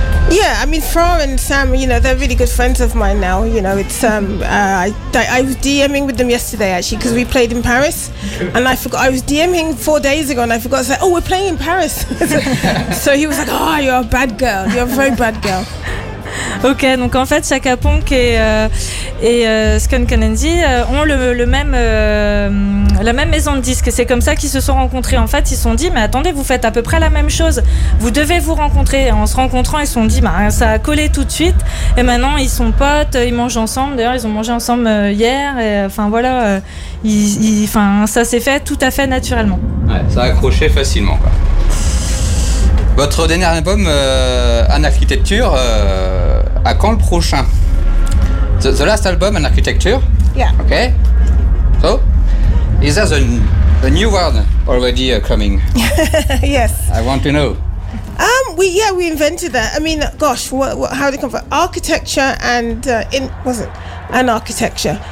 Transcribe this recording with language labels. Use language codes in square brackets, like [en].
[en] Yeah, I mean, Fro and Sam, you know, they're really good friends of mine now. You know, it's I was DMing with them yesterday actually because we played in Paris, and I forgot I was DMing 4 days ago, and I forgot to say, oh, we're playing in Paris. So he was like, oh, you're a bad girl. You're a very bad girl. [fr] Ok, donc en fait, Chaka Ponk et Skun Kanenzi ont la même maison de disques. C'est comme ça qu'ils se sont rencontrés. En fait, ils se sont dit, mais attendez, vous faites à peu près la même chose. Vous devez vous rencontrer. Et en se rencontrant, ils se sont dit, bah, ça a collé tout de suite. Et maintenant, ils sont potes, ils mangent ensemble. D'ailleurs, ils ont mangé ensemble hier. Enfin, voilà, ça s'est fait tout à fait naturellement. Ouais, ça a accroché facilement, quoi. Votre dernier album, An Architecture, à quand le prochain? [en] The last album, An Architecture? Yeah. Okay. So, is there a new one already coming? Yes. I want to know. We invented that. I mean, gosh, what, how did it come from? Architecture and, was it? An Architecture.